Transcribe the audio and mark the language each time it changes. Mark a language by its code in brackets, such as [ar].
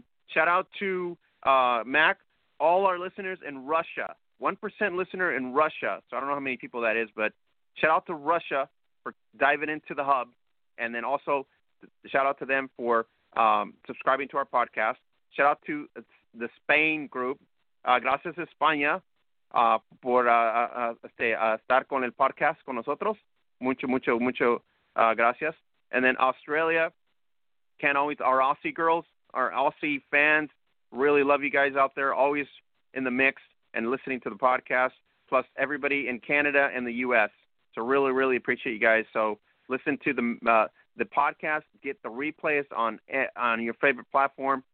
[en] Shout out to Mac, all our listeners in Russia, 1% listener in Russia. So I don't know how many people that is, but shout out to Russia for diving into the hub. And then also shout out to them for subscribing to our podcast. Shout out to the Spain group. [es] Gracias España por estar con el podcast con nosotros. Mucho, mucho, mucho gracias. [en] And then Australia, can't always, our Aussie girls, our Aussie fans, really love you guys out there, always in the mix and listening to the podcast, plus everybody in Canada and the U.S. So really, really appreciate you guys. So listen to the podcast, get the replays on your favorite platform.